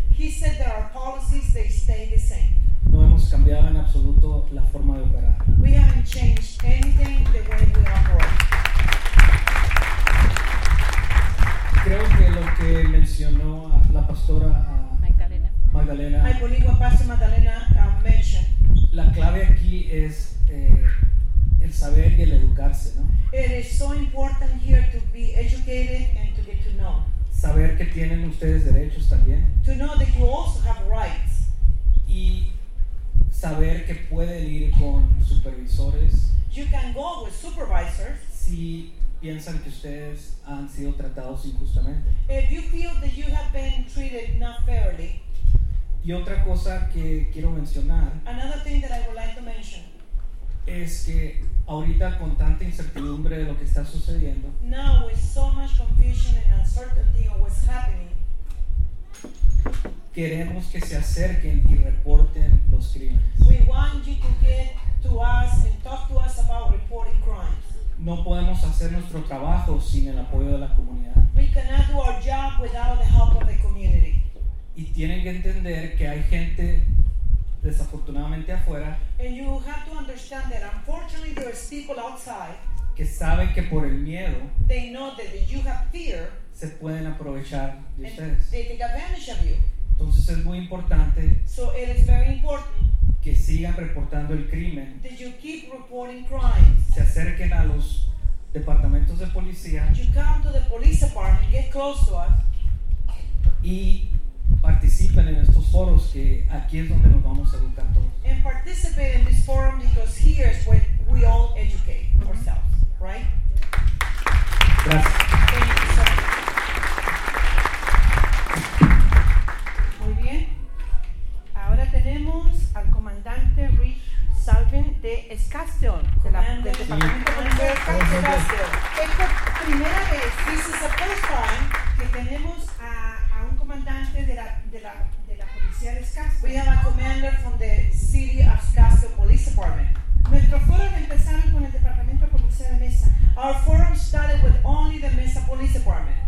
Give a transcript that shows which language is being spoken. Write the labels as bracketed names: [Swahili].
[English] He said that our policies, they stay the same. [Spanish] No hemos cambiado en absoluto la forma de operar. [English] We haven't changed anything the way we operate. [Spanish] Creo que lo que mencionó la pastora Magdalena. Magdalena, [English] I believe what Pastor Magdalena mentioned. [Spanish] La clave aquí es el saber y el educarse, ¿no? [English] It is so important here to be educated and to get to know. [Spanish] Saber que tienen ustedes derechos también. [English] To know that you also have rights. [Spanish] Y saber que puede ir con supervisores. [English] You can go with supervisors. [Spanish] Si piensan que ustedes han sido tratados injustamente. [English] If you feel that you have been treated not fairly. [Spanish] Y otra cosa que quiero mencionar. [English] Another thing that I would like to mention. [Spanish] Es que ahorita con tanta incertidumbre de lo que está sucediendo. [English] Now with so much confusion and uncertainty of what's happening. [Spanish] Queremos que se acerquen y reporten los crímenes. [English] We want you to get to us and talk to us about reporting crimes. [Spanish] No podemos hacer nuestro trabajo sin el apoyo de la comunidad. [English] We cannot do our job without the help of the community. [Spanish] Y tienen que entender que hay gente desafortunadamente afuera. [English] And you have to understand that unfortunately there is people outside. [Spanish] Que saben que por el miedo. [English] They know that you have fear. [Spanish] Se pueden aprovechar de [English] and [Spanish] ustedes. [English] They take advantage of you. [Spanish] Entonces es muy importante. [English] So it is very important. [Spanish] Que sigan reportando el crimen. [English] That you keep reporting crimes. [Spanish] Se acerquen a los departamentos de policía. [English] You come to the police department, get close to us. [Spanish] Y participen en estos foros, que aquí es donde nos vamos a educar todos. [English] And participate in this forum because here is where we all educate ourselves, right? [Spanish] Gracias. [English] Thank you, sir. [Spanish] Muy bien. Ahora tenemos al comandante Rich Salvin de Escastel, del departamento de Escastel. Esta es la primera vez que tenemos a un comandante de la policía de Escastel. [English] We have a commander from the city of Escastel Police Department. [Spanish] Nuestro foro empezaron con el departamento de policía de Mesa. [English] Our forum started with only the Mesa Police Department.